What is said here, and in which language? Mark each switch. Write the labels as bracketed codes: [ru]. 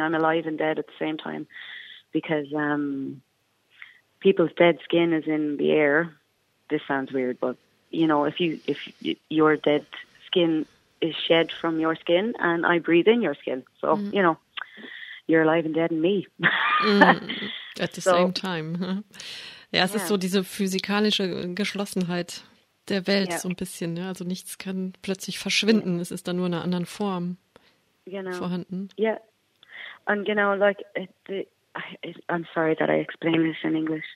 [en] I'm alive and dead at the same time because people's dead skin is in the air. This sounds weird, but, you know, if your dead skin is shed from your skin and I breathe in your skin. So, you know, you're alive and dead in me. At the same time. [de] Ja, es ist so diese physikalische Geschlossenheit der Welt so ein bisschen. Ne? Also nichts kann plötzlich verschwinden. Es ist dann nur in einer anderen Form vorhanden. Ja. [en] Yeah. And you know, like, I'm sorry that I explain this in English.